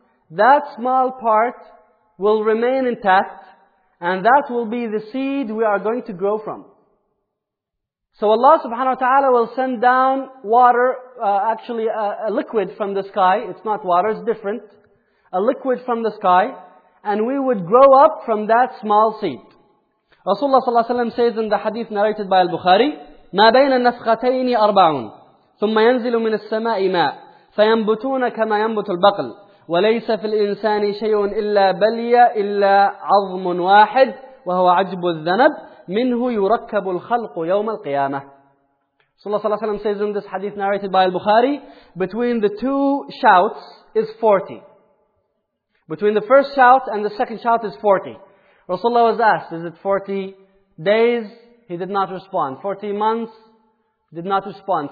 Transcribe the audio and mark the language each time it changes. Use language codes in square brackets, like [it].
[en] That small part will remain intact, and that will be the seed we are going to grow from. So Allah subhanahu wa ta'ala will send down water, a liquid from the sky. It's not water, it's different. A liquid from the sky, and we would grow up from that small seed. [ar] Rasulullah sallallahu alaihi wasallam [en] says in the hadith narrated by [ar] Al-Bukhari, مَا بَيْنَ النَّفْخَتَيْنِ أَرْبَعُونَ ثُمَّ يَنْزِلُ مِنَ السَّمَاءِ مَاءٌ فَيَنْبُتُونَ كَمَا يَنْبُتُ الْبَقْلِ وَلَيْسَ فِي الْإِنسَانِ شَيْءٌ إِلَّا بَلِيَ إِلَّا عَظْمٌ وَاحِدٌ وَهُوَ عَجْبُ الذَّنَبِ مِنْهُ يُرَكَّبُ الْخَلْقُ يَوْمَ الْقِيَامَةِ. [en] So Allah sallallahu alayhi wa sallam says in this hadith narrated by Al-Bukhari, between the two shouts is 40. Between the first shout and the second shout is 40. Rasulullah was asked, is it 40 days? He did not respond. 40 months? Did not respond.